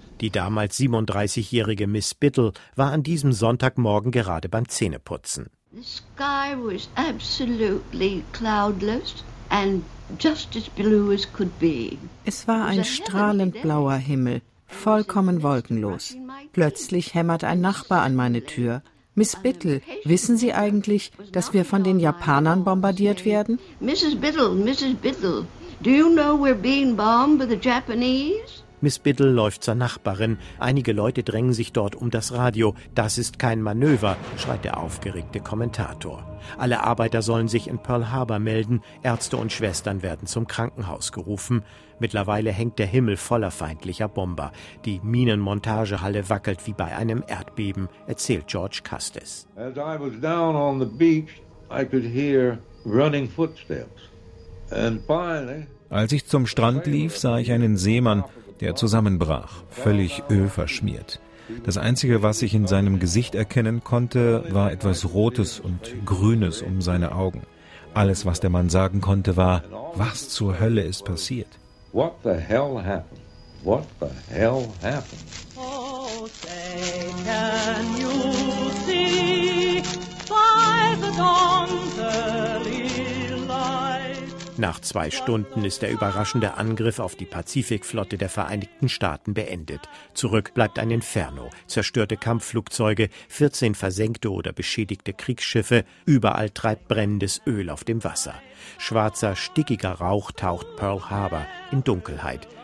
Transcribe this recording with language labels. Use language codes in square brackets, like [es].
[de] Die damals 37-jährige Miss Biddle war an diesem Sonntagmorgen gerade beim Zähneputzen. [en] The sky was absolutely cloudless and just as blue as could be. [de] Es war ein strahlend blauer Himmel. Vollkommen wolkenlos. Plötzlich hämmert ein Nachbar an meine Tür. Miss Biddle, wissen Sie eigentlich, dass wir von den Japanern bombardiert werden? [en] Mrs. Biddle, do you know we're being bombed by the Japanese? [de] Miss Biddle läuft zur Nachbarin. Einige Leute drängen sich dort um das Radio. Das ist kein Manöver, schreit der aufgeregte Kommentator. Alle Arbeiter sollen sich in Pearl Harbor melden. Ärzte und Schwestern werden zum Krankenhaus gerufen. Mittlerweile hängt der Himmel voller feindlicher Bomber. Die Minenmontagehalle wackelt wie bei einem Erdbeben, erzählt George Custis. [en] As I was down on the beach, I could hear running footsteps. And finally, [de] als ich zum Strand lief, sah ich einen Seemann, der zusammenbrach, völlig ölverschmiert. Das Einzige, was ich in seinem Gesicht erkennen konnte, war etwas Rotes und Grünes um seine Augen. Alles, was der Mann sagen konnte, war: Was zur Hölle ist passiert? [en] What the hell happened? What the hell happened? Oh, say can you see by the dawn's early light? [de] Nach 2 Stunden ist der überraschende Angriff auf die Pazifikflotte der Vereinigten Staaten beendet. Zurück bleibt ein Inferno. Zerstörte Kampfflugzeuge, 14 versenkte oder beschädigte Kriegsschiffe, überall treibt brennendes Öl auf dem Wasser. Schwarzer, stickiger Rauch taucht Pearl Harbor in Dunkelheit.